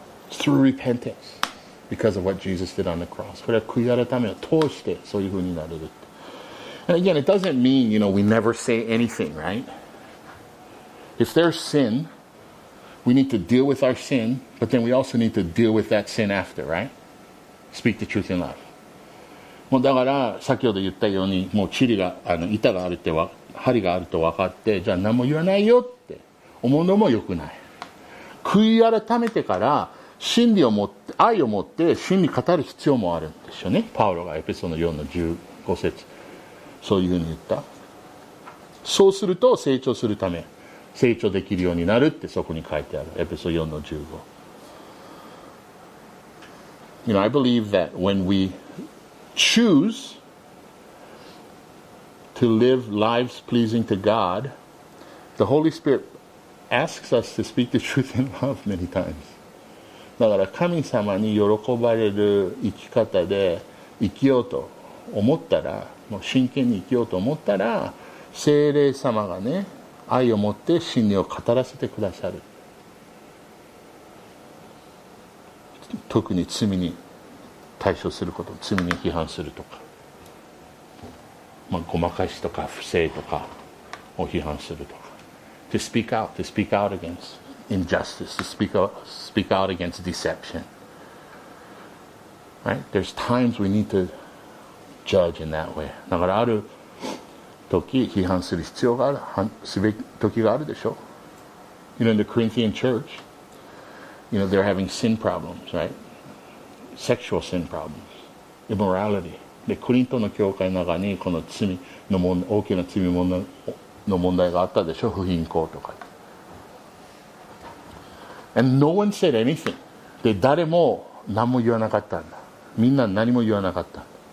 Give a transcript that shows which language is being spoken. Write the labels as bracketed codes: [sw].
[en] Through repentance, because of what Jesus did on the cross. [ja] これは悔い改めを通してそういうふうになれる。 [en] And again, it doesn't mean, you know, we never say anything, right? If there's sin, we need to deal with our sin, but then we also need to deal with that sin after, right? Speak the truth in love. [ja] もうだから先ほど言ったように、もうチリが、あの板があるって、針があると分かって、じゃあ何も言わないよって思うのも良くない。悔い改めてから真理を持って、愛を持って真理語る必要もあるんですよね。パウロがエペソの4の15節そういうふうに言った。そうすると成長するため、成長できるようになるってそこに書いてある。エペソ4の15。 [en] You know, I believe that when we choose to live lives pleasing to God, the Holy Spirit asks us to speak the truth in love many times. [ja] だから神様に喜ばれる生き方で生きようと思ったら、もう真剣に生きようと思ったら、聖霊様がね、愛を持って真理を語らせてくださる。特に罪に対処すること、罪に批判するとか、まあ、ごまかしとか不正とかを批判するとか、 [en] to speak out, to speak out against injustice, to speak out, speak out against deception, right? There's times we need toJudge in that way. [ja] だからある時批判する必要がある、すべき時があるでしょ。 [en] You know, in the Corinthian church, you know, they're having sin problems, right? Sexual sin problems, immorality. [ja] で、コリントの教会の中にこの罪の問題、大きな罪の問題があったでしょ、不貧困とか。 [en] And no one said anything. [ja] で、誰も何も言わなかったんだ。みんな何も言わなかった。